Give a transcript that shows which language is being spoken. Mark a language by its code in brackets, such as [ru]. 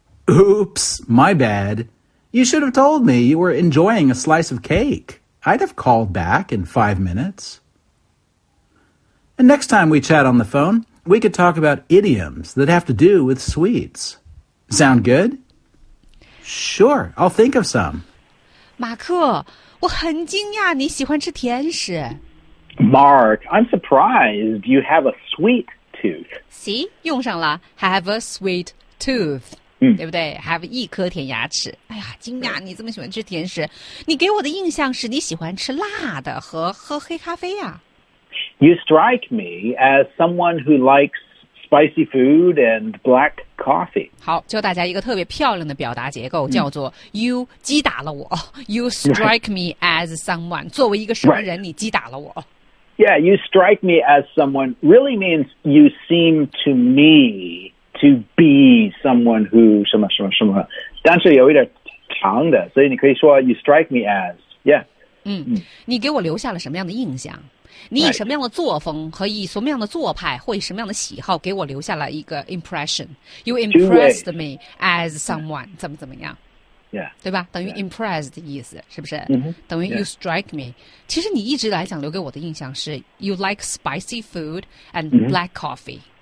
[en] Oops, my bad. You should have told me you were enjoying a slice of cake. I'd have called back in 5 minutes. And next time we chat on the phone, we could talk about idioms that have to do with sweets. Sound good? Sure, I'll think of some. [zh] 马克，我很惊讶你喜欢吃甜食。 [en] Mark, I'm surprised you have a sweet tooth. [zh] See, 用上了 [en] have a sweet tooth,、 [zh] 对不对 ？Have 一颗甜牙齿。哎呀，惊讶你这么喜欢吃甜食。你给我的印象是你喜欢吃辣的和喝黑咖啡呀、啊。 [en] You strike me as someone who likes spicy food and black coffee. [zh] 好，教大家一个特别漂亮的表达结构，叫做 you 击打了我。 [en] You strike me as someone. [zh] 作为一个什么人，你击打了我。 [en] Yeah, you strike me as someone really means you seem to me to be someone who [zh] 什么什么什么。但是有一点长的，所以你可以说 [en] you strike me as, yeah. [zh] 你给我留下了什么样的印象？你以什么样的作风和以什么样的做派或以什么样的喜好给我留下了一个 impression? [en] You impressed me as someone, [zh] 怎么怎么样？ [en] Yeah, [zh] 对吧？等于 impressed 的意思，是不是？ [en] Mm-hmm, [zh] 等于 [en] you strike me。 [zh] 其实你一直来讲留给我的印象是 [en] you like spicy food and black coffee。